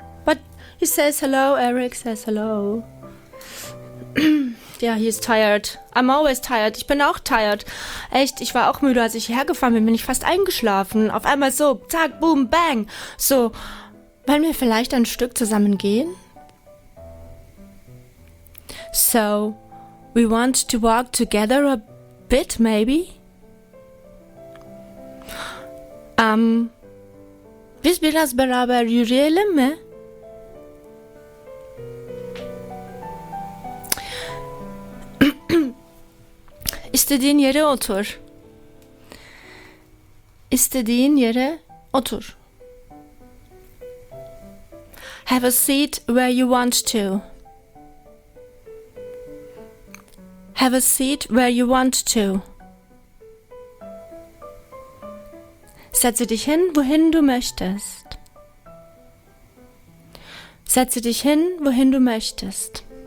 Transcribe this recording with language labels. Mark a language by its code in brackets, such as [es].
[en] But he says hello, Eric says hello. [de] Ja, [en] yeah, he is tired. I'm always tired. [de] Ich bin auch [en] tired. [de] Echt, ich war auch müde, als ich hierher gefahren bin ich fast eingeschlafen. Auf einmal so, zack, boom, bang. So, wollen wir vielleicht ein Stück zusammen gehen? [en] So, we want to walk together a bit, maybe? [tr] Biz biraz beraber yürüyelim mi? İstediğin yere otur. İstediğin yere otur. [en] Have a seat where you want to. Have a seat where you want to. [de] Setze dich hin, wohin du möchtest. Setze dich hin, wohin du möchtest.